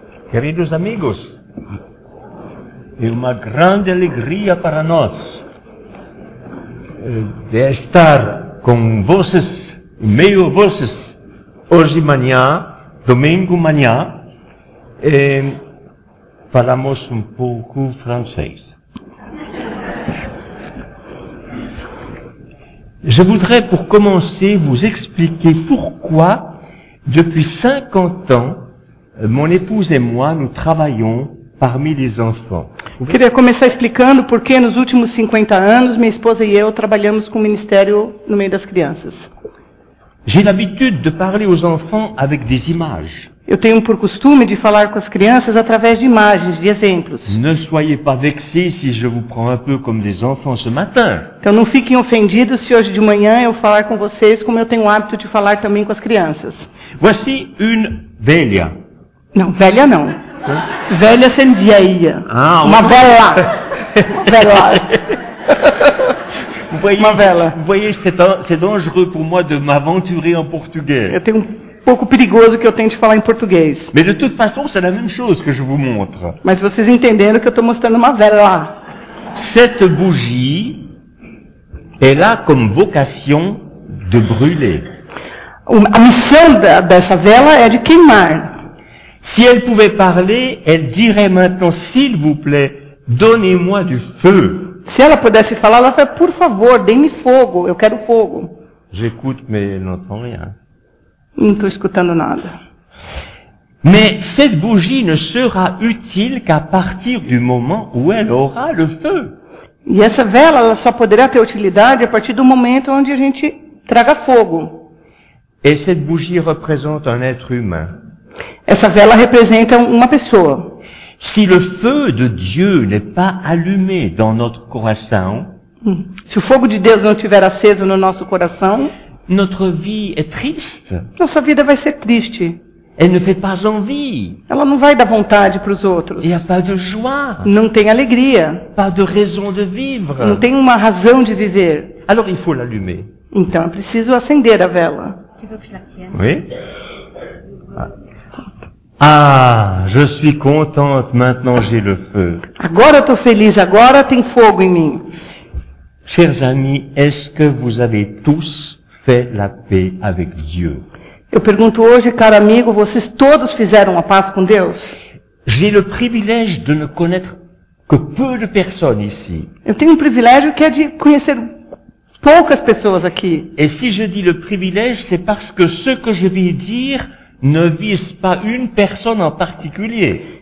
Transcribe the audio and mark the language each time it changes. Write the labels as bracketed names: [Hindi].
[Portuguese] Queridos amigos, é uma grande alegria para nós de estar com vocês, em meio a vocês, hoje manhã, domingo manhã, e falamos um pouco francês. [French] Je voudrais, pour commencer, vous expliquer pourquoi, depuis 50 ans, mon épouse et moi, nous travaillons parmi les enfants. [Portuguese] Eu queria começar explicando por que, nos últimos 50 anos, minha esposa e eu trabalhamos com o ministério no meio das crianças. [French] J'ai l'habitude de parler aux enfants avec des images. [Portuguese] Eu tenho por costume de falar com as crianças através de imagens, de exemplos. [French] Ne soyez pas vexés si je vous prends un peu comme des enfants ce matin. [Portuguese] Então não fiquem ofendidos se hoje de manhã eu falar com vocês como eu tenho o hábito de falar também com as crianças. [French] Voici une velha. [Portuguese] Não, velha não. Velha sem dia. Uma vela. Vela. [French] Vous voyez, [Portuguese] uma vela. [French] Vous voyez, c'est dangereux pour moi de m'aventurer en portugais. [Portuguese] Eu tenho um pouco perigoso que eu tente falar em português. [French] Mais de toute façon, c'est la même chose que je vous montre. [Portuguese] Mas vocês entenderam que eu estou mostrando uma vela. [French] Cette bougie est là comme vocation de brûler. [Portuguese] A missão dessa vela é de queimar. [French] Si elle pouvait parler, elle dirait maintenant, s'il vous plaît, donnez-moi du feu. [Portuguese] Se ela pudesse falar, ela fala, por favor, dê-me fogo, eu quero fogo. [French] J'écoute, mais elle n'entend rien. [Portuguese] Não estou escutando nada. [French] Mais cette bougie ne sera utile qu'à partir du moment où elle aura le feu. [Portuguese] E essa vela, ela só poderá ter utilidade a partir do momento onde a gente traga fogo. [French] Et cette bougie représente un être humain. [Portuguese] Essa vela representa uma pessoa. [French] Si le feu de Dieu n'est pas allumé dans notre coração, [Portuguese] se o fogo de Deus não estiver aceso no nosso coração, [French] notre vie est triste. [Portuguese] Nossa vida vai ser triste. [French] Elle ne fait pas envie. [Portuguese] Ela não vai dar vontade para os outros. [French] Il y a pas de joie. [Portuguese] Não tem alegria. [French] Pas de raison de vivre. [Portuguese] Não tem uma razão de viver. [French] Alors il faut l'allumer. [Portuguese] Então eu preciso acender a vela. [French] Oui. Ah, je suis contente, maintenant j'ai le feu. [Portuguese] Agora eu tô feliz, agora tem fogo em mim. [French] Chers amis, est-ce que vous avez tous fait la paix avec Dieu? [Portuguese] Eu pergunto hoje, caro amigo, vocês todos fizeram a paz com Deus? [French] J'ai le privilège de ne connaître que peu de personnes ici. [Portuguese] Eu tenho um privilégio que é de conhecer poucas pessoas aqui. [French] Et si je dis le privilège, c'est parce que ce que je vais dire ne vise pas une personne en particulier.